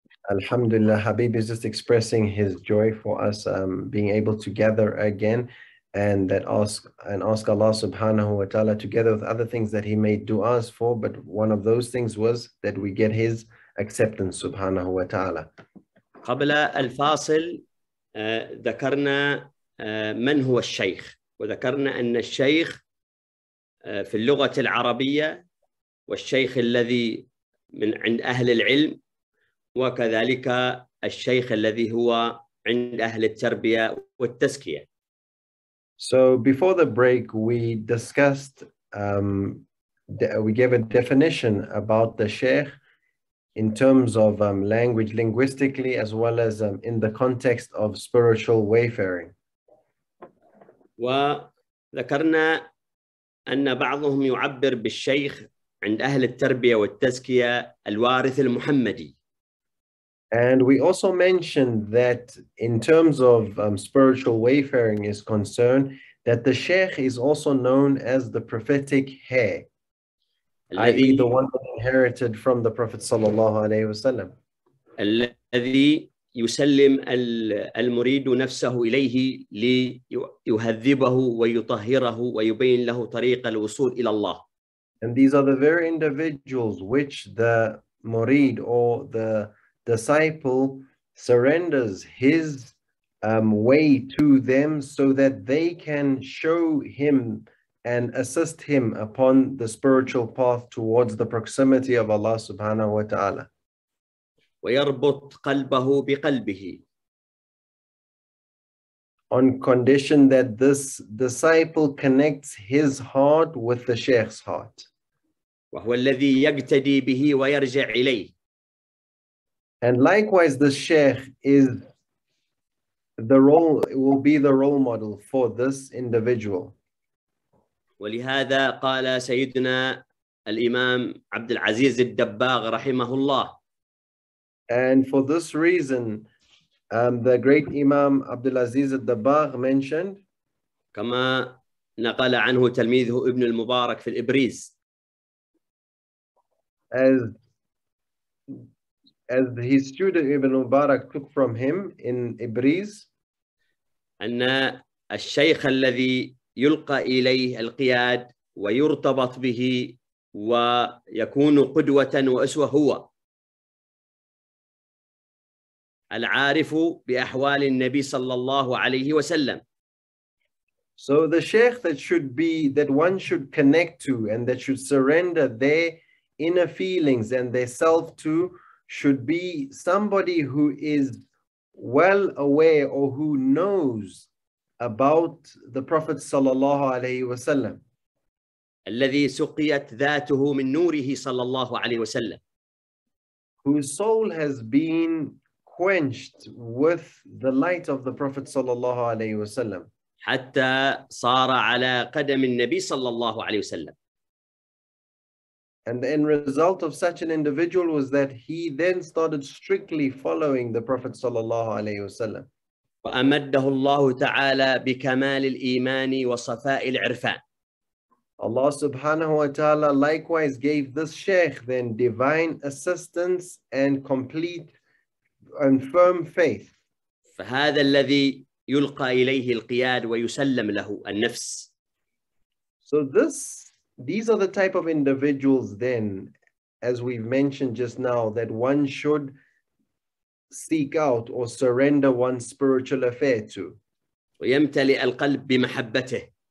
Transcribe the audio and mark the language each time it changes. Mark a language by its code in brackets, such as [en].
[en] Alhamdulillah, Habib is just expressing his joy for us being able to gather again, and that ask Allah subhanahu wa ta'ala, together with other things that he made du'as for, but one of those things was that we get his acceptance subhanahu wa ta'ala. [ar] قبل الفاصل ذكرنا من هو الشيخ وذكرنا ان الشيخ في اللغه العربيه والشيخ الذي من عند اهل العلم وكذلك الشيخ الذي هو عند اهل التربيه والتزكيه. [en] So before the break we discussed we gave a definition about the sheikh in terms of language, linguistically, as well as in the context of spiritual wayfaring. [ar] وذكرنا أن بعضهم يعبر بالشيخ عند أهل التربية والتزكية الوارث المحمدي. [en] And we also mentioned that in terms of spiritual wayfaring is concerned, that the sheikh is also known as the prophetic heir, i.e. the one that inherited from the Prophet sallallahu alayhi wa sallam. [ar] الذي يسلم المريد نفسه إليه ليهذبه ويطهره ويبين له طريق الوصول إلى الله. [en] And these are the very individuals which the murid or the disciple surrenders his way to them so that they can show him and assist him upon the spiritual path towards the proximity of Allah subhanahu wa ta'ala. [ar] ويربط قلبه بقلبه. [en] On condition that this disciple connects his heart with the sheikh's heart. [ar] وهو الذي يقتدي به ويرجع إليه. [en] And likewise, the sheikh is the role, will be the role model for this individual. [ar] ولهذا قال سيدنا الإمام عبد العزيز الدباغ رحمه الله. [en] And for this reason, the great Imam عبد العزيز الدباغ mentioned. [ar] كما نقل عنه تلميذه ابن المبارك في الإبريز. [en] As his student Ibn Mubarak took from him in Ibriz. [ar] أن الشيخ الذي يلقى إليه القياد ويرتبط به ويكون قدوة وأسوة هو العارف بأحوال النبي صلى الله عليه وسلم. [en] So the sheikh that should be, that one should connect to and that should surrender their inner feelings and their self to, should be somebody who is well aware or who knows about the Prophet [ar] صلى الله عليه وسلم. الذي سقيت ذاته من نوره صلى الله عليه وسلم. [en] Whose soul has been quenched with the light of the Prophet [ar] صلى الله عليه وسلم. حتى صار على قدم النبي صلى الله عليه وسلم. [en] And the end result of such an individual was that he then started strictly following the Prophet [ar] صلى الله عليه وسلم. وأمده الله تعالى بكمال الإيمان وصفاء العرفان. [en] Allah subhanahu wa ta'ala likewise gave this sheikh then divine assistance and complete and firm faith. [ar] فهذا الذي يلقى إليه القياد ويسلم له النفس. [en] So these are the type of individuals then, as we've mentioned just now, that one should seek out or surrender one's spiritual affair to. [ar] ويمتلئ القلب بمحبته.